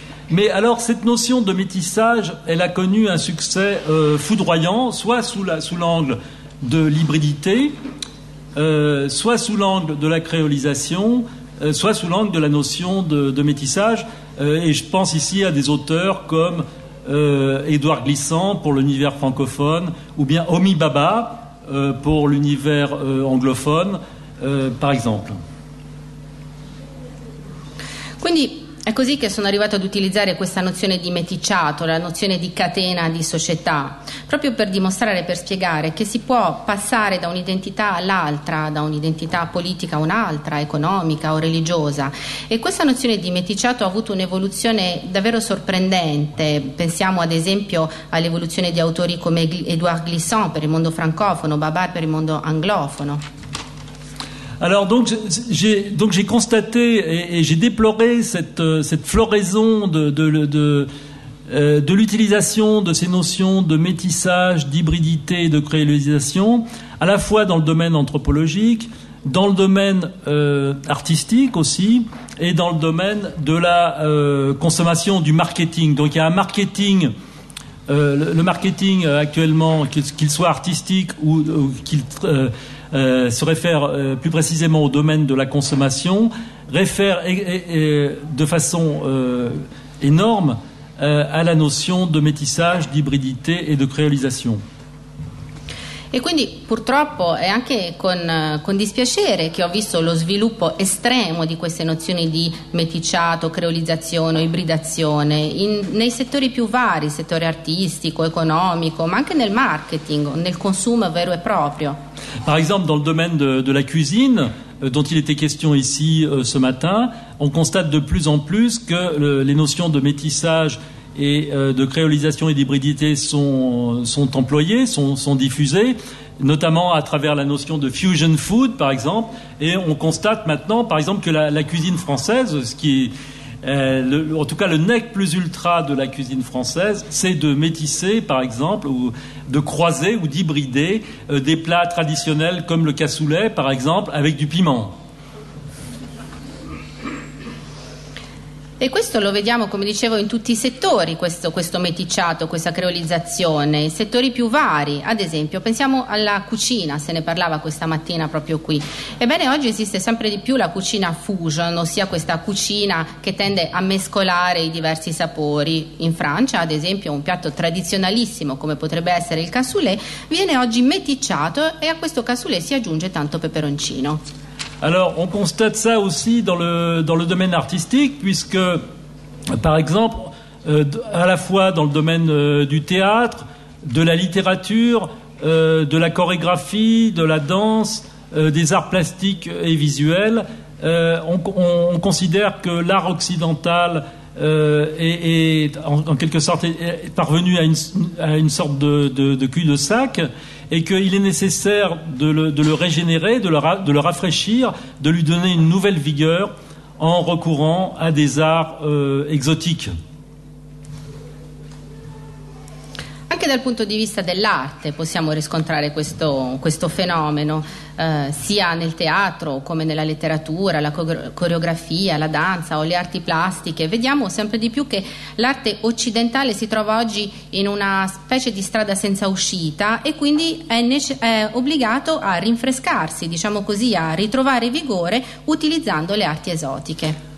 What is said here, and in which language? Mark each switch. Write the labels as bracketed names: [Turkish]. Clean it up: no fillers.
[French] Mais alors cette notion de métissage, elle a connu un succès foudroyant, soit sous l'angle de l'hybridité, soit sous l'angle de la créolisation, soit sous l'angle de la notion de métissage. Et je pense ici à des auteurs comme Édouard Glissant pour l'univers francophone, ou bien Omi Baba pour l'univers anglophone, par exemple. [Italian] Quindi è così che sono arrivato ad utilizzare questa nozione di meticciato, la nozione di catena di società, proprio per dimostrare, per spiegare che si può passare da un'identità all'altra, da un'identità politica a un'altra, economica o religiosa. E questa nozione di meticciato ha avuto un'evoluzione davvero sorprendente. Pensiamo ad esempio all'evoluzione di autori come Édouard Glissant per il mondo francofono, Babar per il mondo anglofono. [French] Alors donc j'ai constaté et j'ai déploré cette floraison de l'utilisation de ces notions de métissage, d'hybridité et de créolisation, à la fois dans le domaine anthropologique, dans le domaine artistique aussi, et dans le domaine de la consommation, du marketing. Donc il y a un marketing, le marketing actuellement, qu'il soit artistique ou qu'il se réfère plus précisément au domaine de la consommation, réfère de façon énorme à la notion de métissage, d'hybridité et de créolisation. [Italian] E quindi purtroppo è anche con dispiacere che ho visto lo sviluppo estremo di queste nozioni di meticciato, creolizzazione, ibridazione nei settori più vari, settore artistico, economico, ma anche nel marketing, nel consumo vero e proprio. [French] Par exemple, dans le domaine de la cuisine, dont il était question ici ce matin, on constate de plus en plus que les notions de métissage et de créolisation et d'hybridité sont employées, sont diffusées, notamment à travers la notion de fusion food, par exemple. Et on constate maintenant, par exemple, que la cuisine française, ce qui est, en tout cas le nec plus ultra de la cuisine française, c'est de métisser, par exemple, ou de croiser ou d'hybrider des plats traditionnels comme le cassoulet, par exemple, avec du piment. [Italian] E questo lo vediamo, come dicevo, in tutti i settori, questo meticciato, questa creolizzazione, i settori più vari. Ad esempio, pensiamo alla cucina, se ne parlava questa mattina proprio qui. Ebbene, oggi esiste sempre di più la cucina fusion, ossia questa cucina che tende a mescolare i diversi sapori. In Francia, ad esempio, un piatto tradizionalissimo, come potrebbe essere il cassoulet, viene oggi meticciato e a questo cassoulet si aggiunge tanto peperoncino. [French] Alors, on constate ça aussi dans le domaine artistique, puisque, par exemple, à la fois dans le domaine du théâtre, de la littérature, de la chorégraphie, de la danse, des arts plastiques et visuels, on considère que l'art occidental est en quelque sorte est parvenu à une sorte de cul-de-sac, et qu'il est nécessaire de le régénérer, de le rafraîchir, de lui donner une nouvelle vigueur en recourant à des arts exotiques. [Italian] Anche dal punto di vista dell'arte possiamo riscontrare questo fenomeno, sia nel teatro come nella letteratura, la coreografia, la danza o le arti plastiche. Vediamo sempre di più che l'arte occidentale si trova oggi in una specie di strada senza uscita e quindi è obbligato a rinfrescarsi, diciamo così, a ritrovare vigore utilizzando le arti esotiche.